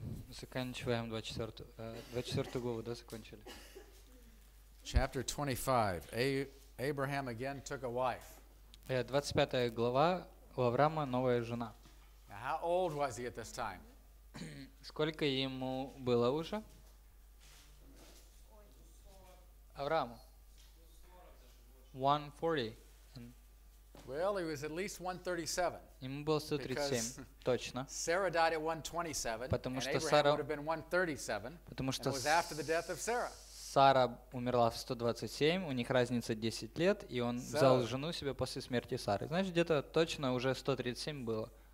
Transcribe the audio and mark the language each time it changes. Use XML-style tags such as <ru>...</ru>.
<ru>Заканчиваем 24 главу, да, закончили.</ru> <en>Chapter 25. Abraham again took a wife.</en> <ru>25 глава, у Авраама новая жена.</ru> <en>Now, how old was he at this time?</en> <ru>Сколько ему было уже? Авраам. 140.</ru> <en>Well, he was at least 137.</en> <ru>Ему было 137, точно.</ru> <en>Sarah died at 127,</en> <ru>потому</ru> <en>and Abraham would have been 137,</en> <ru>потому что</ru> <en>and it was after the death of Sarah.</en> <ru>Сара умерла в 127, у них разница 10 лет, и он</ru> <en>so,</en> <ru>взял жену себе после смерти Сары. Значит, где-то точно уже 137 было.</ru>